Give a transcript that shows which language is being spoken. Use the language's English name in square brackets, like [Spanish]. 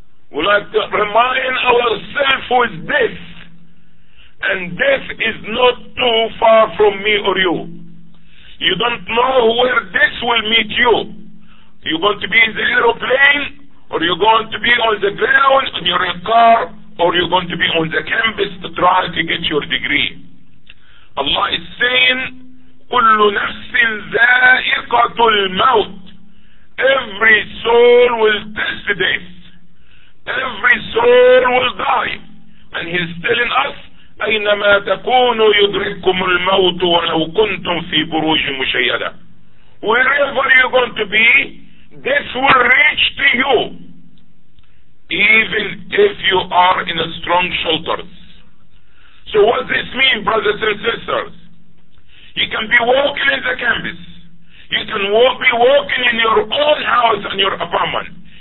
[English] We like to remind ourselves with death, and death is not too far from me or you. You don't know where death will meet you. You're going to be in the aeroplane, or you're going to be on the ground in your car, or you're going to be on the campus to try to get your degree. Allah is saying, [Arabic] كل نفس ذائقة الموت. [English] Every soul will taste death. Every soul will die. And He's telling us, [Arabic] أينما تكونوا يدرككم الموت ولو كنتم في بروج مشيدة. [English] Wherever you're going to be, death will reach to you. Even if you are in a strong shelters. So what does this mean, brothers and sisters? You can be walking in the campus. You can be walking in your own house and your apartment.